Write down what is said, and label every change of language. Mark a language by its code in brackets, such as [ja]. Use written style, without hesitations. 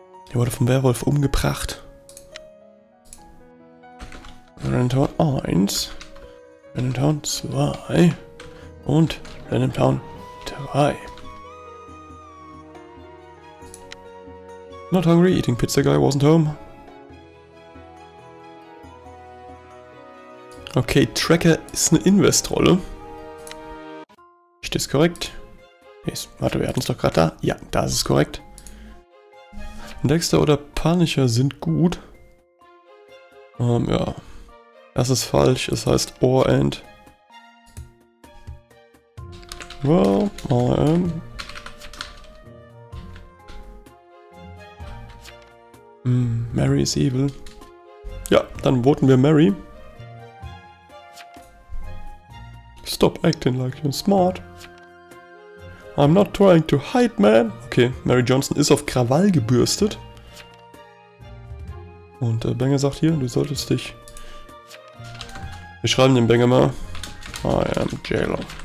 [de] Er wurde vom Werwolf umgebracht. Renton 1, Renton 2 und Renton 3. [en] Not hungry, eating pizza guy wasn't home. [de] Okay, Tracker ist eine Investrolle. Ist das korrekt? Warte, wir hatten es doch gerade da. Ja, da ist es korrekt. Dexter oder Punisher sind gut. Ja. Das ist falsch, es heißt Or and. [en] Well, I am. [de] Mary is evil. Ja, dann voten wir Mary. [en] Stop acting like you're smart. I'm not trying to hide, man. [de] Okay, Mary Johnson ist auf Krawall gebürstet. Und Banger sagt hier, du solltest dich... Wir schreiben den Banger mal. I am Jailer.